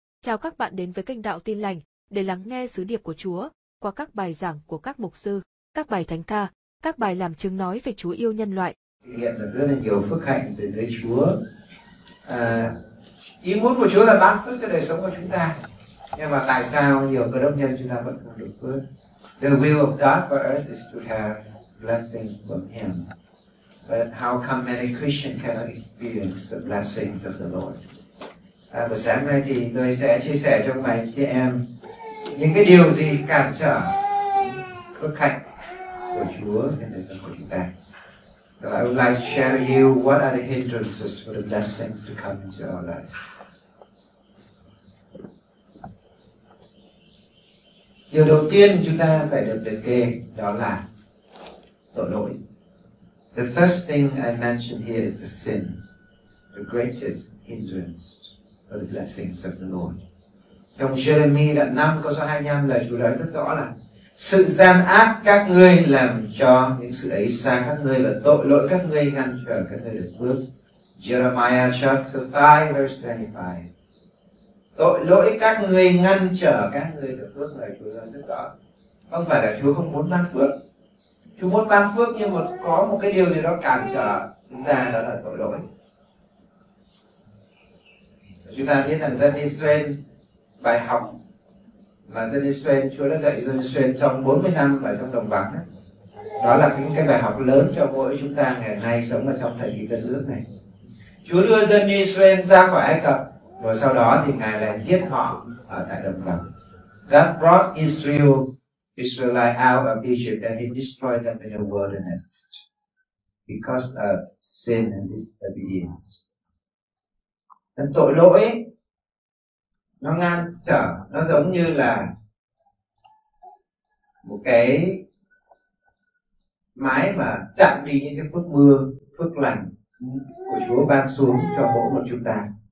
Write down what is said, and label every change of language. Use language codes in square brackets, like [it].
[vi] Chào các bạn đến với kênh Đạo Tin Lành để lắng nghe sứ điệp của Chúa qua các bài giảng của các mục sư, các bài thánh ca, các bài làm chứng nói về Chúa yêu nhân loại. Hiện là rất là nhiều phước hạnh để thấy Chúa. Ý muốn của Chúa là ban phước cho đời sống của chúng ta. Nhưng mà tại sao nhiều cơ đốc nhân chúng ta vẫn không được phước? [en] The will of God for us is to have blessings from Him. But how come many Christians cannot experience the blessings of the Lord? [vi] Buổi sáng nay thì tôi sẽ chia sẻ cho mấy chị em những cái điều gì cản trở phước hạnh của Chúa trên đời sống của chúng ta. [en] So I would like to share with you what are the hindrances for the blessings to come into our life. [vi] Điều đầu tiên chúng ta phải được liệt kê đó là tội lỗi. [en] The first thing I mentioned here is the sin, the greatest hindrance for the blessings of the Lord. [vi] Trong Jeremy đoạn 5 câu số 25 lời Chúa nói rất rõ là sự gian ác các ngươi làm cho những sự ấy xa các ngươi và tội lỗi các ngươi ngăn trở các ngươi được phước. [en] Jeremiah chapter 5 verse 25. [vi] Tội lỗi các ngươi ngăn trở các ngươi được phước, lời Chúa nói rất rõ. Không phải là Chúa không muốn ban phước. Chúa muốn ban phước nhưng mà có một cái điều gì đó cản trở chúng ta, đó là tội lỗi. Chúng ta biết rằng dân Israel, bài học mà dân Israel, Chúa đã dạy dân Israel trong 40 năm và trong đồng vắng ấy, đó là những cái bài học lớn cho mỗi chúng ta ngày nay sống ở trong thời kỳ tân ước này. Chúa đưa dân Israel ra khỏi Ai Cập và sau đó thì Ngài lại giết họ ở tại đồng vắng. [en] God brought Israelite out of Egypt and He destroyed them in the wilderness because of sin and disobedience. [vi] Tội lỗi nó ngăn trở, nó giống như là một cái mái mà chặn đi những cái phước mưa, phước lành của Chúa ban xuống cho mỗi một chúng ta.